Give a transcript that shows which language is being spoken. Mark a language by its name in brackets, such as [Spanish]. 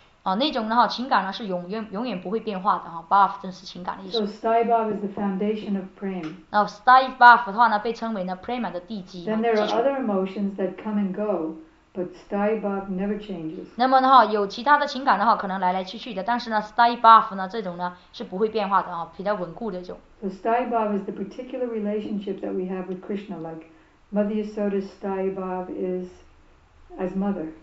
[Chinese] 那种呢情感呢是永远不会变化的哈 ，bhav 正是情感的意思。 [English] So stayi bhav is the foundation of prema. [Chinese] 那 stayi bhav 的话呢，被称为呢 prema 的地基。 [English] Then there are other emotions that come and go, but stayi bhav never changes. [Chinese] 那么呢哈，有其他的情感的话，可能来来去去的，但是呢 stayi bhav 呢这种呢是不会变化的啊，比较稳固的一种。 [English] So stayi bhav is the particular relationship that we have with Krishna, like Mother Yasoda's stayi bhav is as mother.